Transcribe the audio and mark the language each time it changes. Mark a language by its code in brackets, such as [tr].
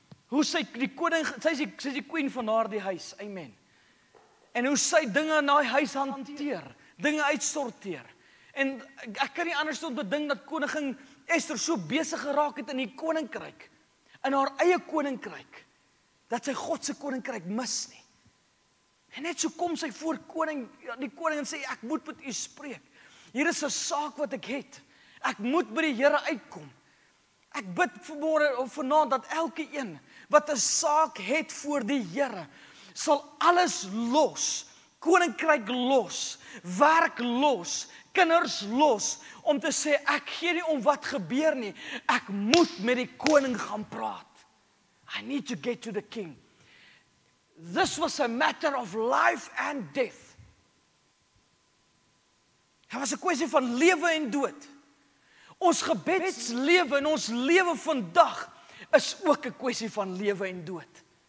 [af] Hoe sy die koning, sy is die queen van haar die huis. Amen. En hoe sy dinge in haar huis hanteer, dinge uitsorteer. En ek kan nie anders dan beding dat koningin Esther so besig geraak het in die koninkryk, in haar eie koninkryk, dat sy God se koninkryk mis nie. En net so kom sy voor koning, die koning en sê, ek moet met U spreek. Hier is 'n saak wat ek het. Ek moet by die Here uitkom. Ek bid vanmôre of vanaand dat elke een wat 'n saak het voor die Here, sal alles los, koninkryk los, werk los, kinders los, om te sê, ek gee nie om wat gebeur nie. Ek moet met die koning gaan praat. [en] I need to get to the king. This was a matter of life and death. [af] Dit was 'n kwessie van lewe en dood. Ons gebedslewe en ons lewe vandag is ook 'n kwessie van lewe en dood.